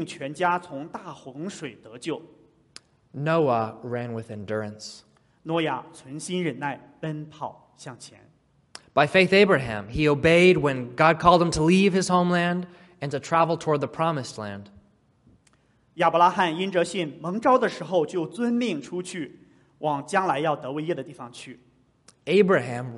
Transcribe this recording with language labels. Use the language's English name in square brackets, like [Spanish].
[Chinese] 挪亚因着信预备了一只方舟，使他自己并全家从大洪水得救。 [English] Noah ran with endurance. [Chinese] 挪亚存心忍耐，奔跑向前。 [English] By faith, Abraham, he obeyed when God called him to leave his homeland and to travel toward the promised land. [Chinese] 亚伯拉罕因着信蒙召的时候就遵命出去，往将来要得为业的地方去。Abraham